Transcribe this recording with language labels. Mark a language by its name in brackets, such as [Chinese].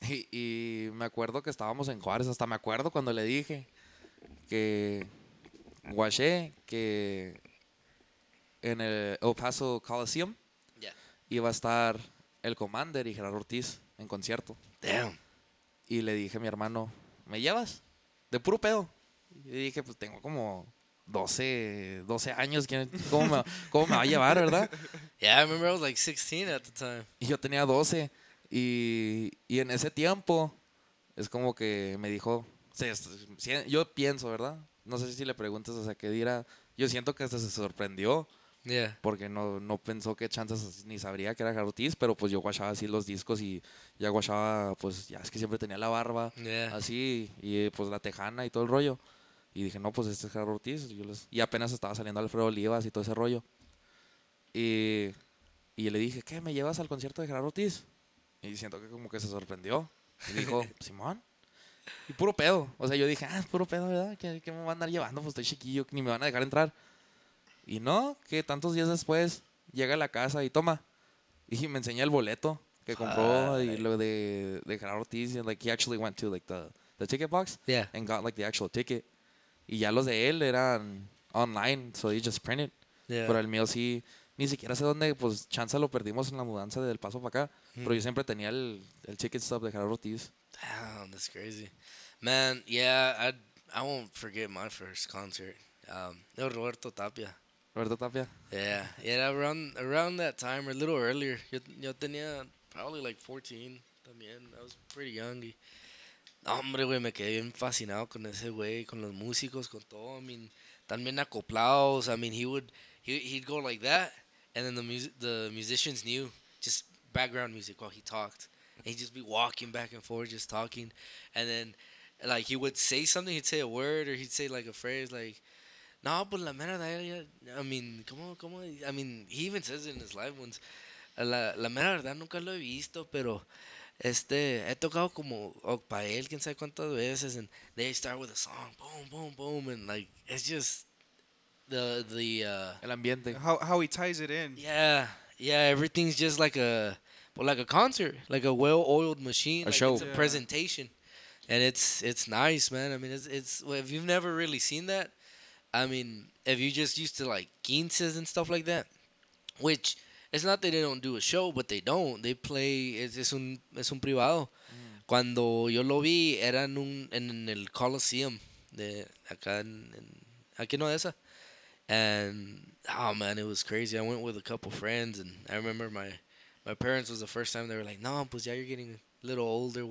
[Spanish] Y me acuerdo que estábamos en Juárez, hasta me acuerdo cuando le dije que guaché que en el El Paso Coliseum, [English] yeah, [Spanish] iba a estar el Commander y Gerardo Ortiz en concierto. [English] Damn. [Spanish] Y le dije a mi hermano, ¿me llevas? De puro pedo. Y dije, pues tengo como 12 años, ¿cómo me va a llevar, verdad? [English] Yeah, I remember I was like 16 at the time. [Spanish] Y yo tenía 12. Y en ese tiempo es como que me dijo, yo pienso, ¿verdad? No sé si le preguntas, o sea, qué dirá. Yo siento que hasta se sorprendió, [English] yeah, [Spanish] porque no pensó que chances ni sabría que era Gerardo Ortiz, pero pues yo guachaba así los discos y ya guachaba, pues ya es que siempre tenía la barba, [English] yeah, [Spanish] así, y pues la tejana y todo el rollo. Y dije, no, pues este es Gerardo Ortiz. Y apenas estaba saliendo Alfredo Olivas y todo ese rollo. Y le dije, ¿qué? ¿Me llevas al concierto de Gerardo Ortiz? Y siento que como que se sorprendió. Y dijo, Simón. Y puro pedo. O sea, yo dije, ah, es puro pedo, ¿verdad? ¿Qué me van a andar llevando? Pues estoy chiquillo, ni me van a dejar entrar. Y no, que tantos días después llega a la casa y toma. Y me enseña el boleto que compró y lo de Gerardo Ortiz. [English] And like, he actually went to like the ticket box. Yeah. And got like the actual ticket. [Spanish] Y ya los de él eran online, [English] so he just printed. Yeah. [Spanish] Pero el mío sí. Ni siquiera sé dónde, pues, chance lo perdimos en la mudanza del paso para acá. Mm. Pero yo siempre tenía el ticket stub de Gerardo Ortiz. [English] Damn, that's crazy. Man, yeah, I won't forget my first concert. Roberto Tapia. Roberto Tapia. Yeah, yeah, around that time, or a little earlier. [Spanish] Yo tenía [English] probably like 14 [Spanish] también. [English] I was pretty young. [Spanish] Y, hombre, güey, me quedé bien fascinado con ese güey, con los músicos, con todo. [English] I mean, [Spanish] también acoplados. [English] I mean, he'd go like that, and then the musicians knew, just background music while he talked. And he'd just be walking back and forth, just talking. And then, like, he would say something, he'd say a word, or he'd say, like, a phrase, like, no, but [Spanish] la mera de ella, [English] I mean, como, I mean, he even says it in his live ones, [Spanish] la mera verdad nunca lo he visto, pero, he tocado como, para él, quién sabe cuántas veces, [English] and they start with a song, boom, boom, boom, and, like, it's just... [Spanish] El ambiente. [English] How he ties it in. Yeah. Yeah, everything's just like a concert. Like a well-oiled machine. A like show. It's a, yeah, presentation. And it's nice, man. I mean, it's if you've never really seen that, I mean, if you just used to like quinces and stuff like that, which, it's not that they don't do a show, but they don't. They play, [Spanish] es un privado. Mm. Cuando yo lo vi, era en el Coliseum de acá en aquí no esa. [English] And, oh, man, it was crazy. I went with a couple friends, and I remember my parents was the first time. They were like, [Spanish] no, pues ya, [English] you're getting a little older.